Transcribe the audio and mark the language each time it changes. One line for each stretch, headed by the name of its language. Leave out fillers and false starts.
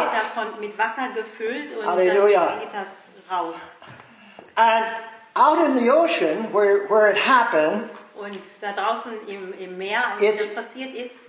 German: Wird das mit Wasser gefüllt und Halleluja. Dann geht das raus.
English: And out in the ocean, where it happened,
German: und da draußen im Meer, als das passiert ist,